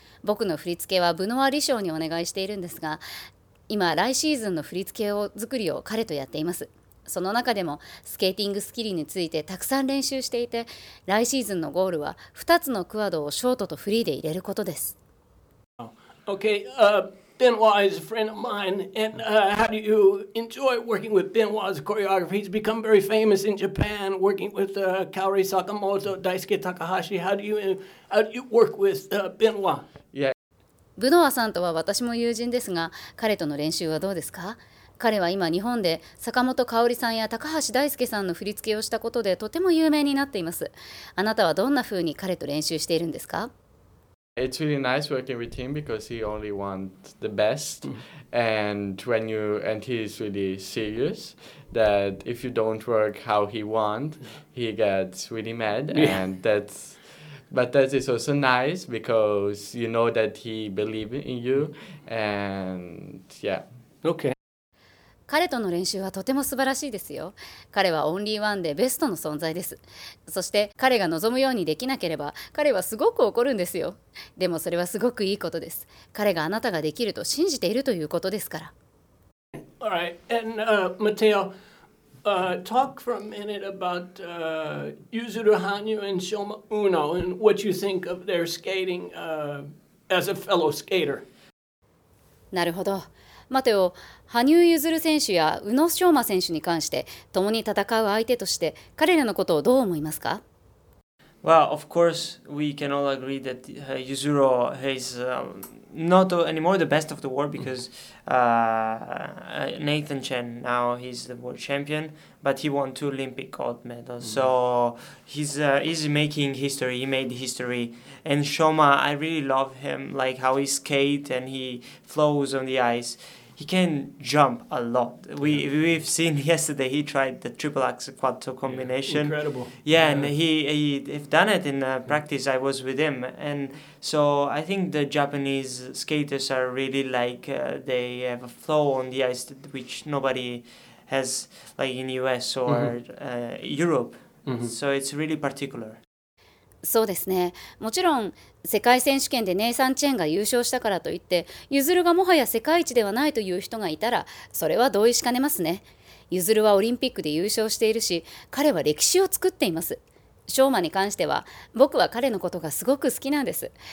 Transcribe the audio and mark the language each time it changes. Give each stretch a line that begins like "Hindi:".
Japanese: 僕の振り付けはブノワ・リショーにお願いしているんですが、今来シーズンの振り付けを作りを彼とやっています。その中でもスケーティングスキルについてたくさん練習していて、来シーズンのゴールは2つのクワドをショートとフリーで入れることです。
English: Okay, Benoit is a friend of mine, and how do you enjoy working with Benoit's choreography? He's become very famous in Japan, working with Kaori Sakamoto, Daisuke Takahashi. How do you work with Benoit? Yeah.
Japanese: Benoit さんとは私も友人ですが、彼との練習はどうですか？彼は今日本で坂本香織さんや高橋大輔さんの振り付けをしたことでとても有名になっています。あなたはどんな風に彼と練習しているんですか？
English: It's really nice working with him because he only wants the best. And he's really serious that if you don't work how he wants, he gets really mad. And that is also nice because you know that he believes in you. And yeah. Okay.
Japanese: 彼との練習はとても素晴らしいですよ。彼はオンリーワンでベストの存在です。そして彼が望むようにできなければ、彼はすごく怒るんですよ。でもそれはすごくいいことです。彼があなたができると信じているということですから。
English: All right. And, Matteo, talk for a minute about, Yuzuru Hanyu and Shoma Uno and what you think of their skating, as a fellow skater.
Japanese: なるほど。マテオ、羽生結弦選手や宇野昌磨選手に関して共に戦う相手として彼らのことをどう思いますか？
English: Well, of course, we can all agree that Yuzuro is not anymore the best of the world because Nathan Chen, now he's the world champion, but he won two Olympic gold medals. So he's making history, he made history. And Shoma, I really love him, like how he skates and he flows on the ice. He can jump a lot. We've seen yesterday he tried the triple axel quattro combination. Yeah, incredible. Yeah, and he've done it in practice. I was with him. And so I think the Japanese skaters are really like, they have a flow on the ice that, which nobody has like in US or Europe. Mm-hmm. So it's really particular.
Japanese: そうですね。もちろん世界選手権でネイサン・チェンが優勝したからといって、ユズルがもはや世界一ではないという人がいたら、それは同意しかねますね。ユズルはオリンピックで優勝しているし、彼は歴史を作っています。ショーマに関しては、僕は彼のことがすごく好きなんです。